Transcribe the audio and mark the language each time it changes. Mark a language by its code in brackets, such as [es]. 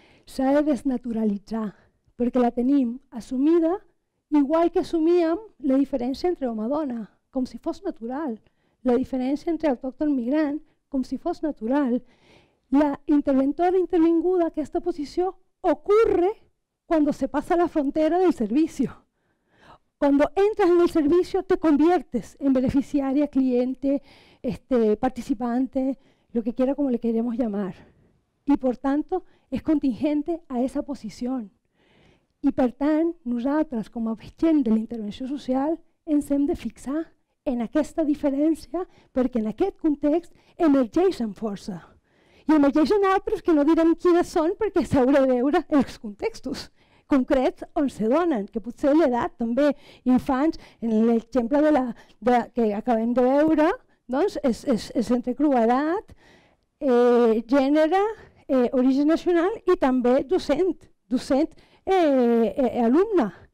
[ca] S'ha de desnaturalitzar, perquè la tenim assumida igual que assumíem la diferència entre home i dona, com si fos natural. La diferència entre autòcton i migrant, com si fos natural. La interventora intervinguda, aquesta posició, ocorre quan se passa la frontera del servei. Quan entres en el servei, [es] te conviertes en beneficiària, cliente, participante, lo que quiera, como le queremos llamar. [ca] I, per tant, és contingent a aquesta posició. I, per tant, nosaltres, com a gent de la intervenció social, ens hem de fixar en aquesta diferència, perquè en aquest context emergeix amb força. I emergeixen altres que no direm quines són, perquè s'haurà de veure els contextos concrets on se donen, que potser l'edat també, infants, en l'exemple que acabem de veure, doncs és entre crueldat, gènere, origen nacional i també docent, alumne.